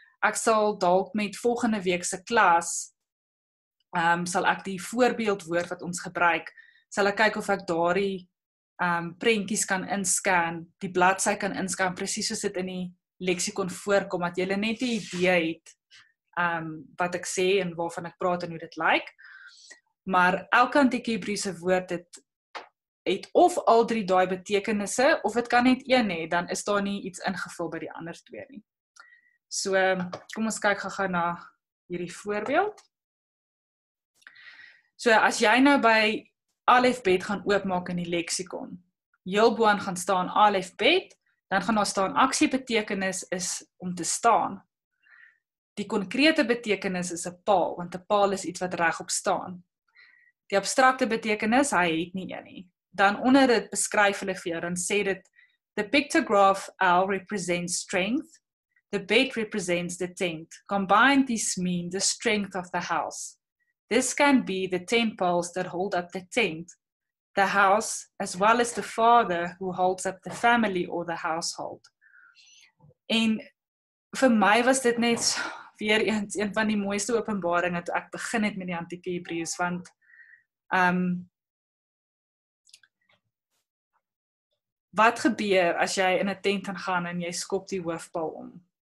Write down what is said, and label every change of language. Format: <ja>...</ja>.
<af>Ek sal dalk met volgende week se klas, sal ek die voorbeeldwoord wat ons gebruik, sal ek kyk of ek daardie prentjies kan inscan, die bladsy kan inscan, presies soos dit in die leksikon voorkom, dat julle net 'n idee het wat ek sê en waarvan ek praat en hoe dit lyk. Maar elke antieke Hebreëse woord het of al drie daai betekenisse, of het kan net een hê, dan is daar nie iets ingevul by die ander twee nie. So, kom ons kyk gou na hierdie voorbeeld. So, as jy nou by Alef Bet gaan oopmaak in die leksikon, heel boan gaan staan Alef Bet, dan gaan ons staan, aksie betekenis is om te staan. Die concrete betekenis is 'n paal, want 'n paal is iets wat regop staan. Die abstracte betekenis, hy het nie een nie. Dan onder dit beskryf hulle vir jou, dan sê dit,</af> <en>the pictograph L represents strength, the bed represents the tent. Combined, this means the strength of the house. This can be the ten poles that hold up the tent, the house, as well as the father who holds up the family or the household.</en> <af>En vir my was dit net weer eens een van die mooiste openbaringe toe ek begin het met die antieke Hebreeus, want wat gebeur as jy in 'n tent gaan gaan en jy skop die hoofpaal om?</af>